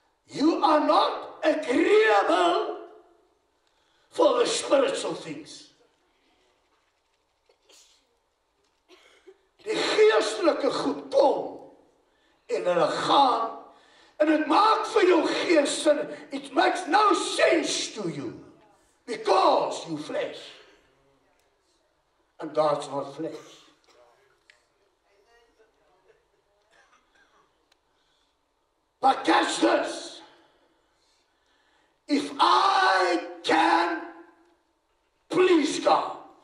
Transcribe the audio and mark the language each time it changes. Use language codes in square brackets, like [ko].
[en] You are not agreeable for the spiritual things. [af] Die geestelike goed kom en hulle gaan en het maak vir jou geest sin. [en] It makes no sense to you because you flesh. And God's not flesh. But catch this. If I can please God.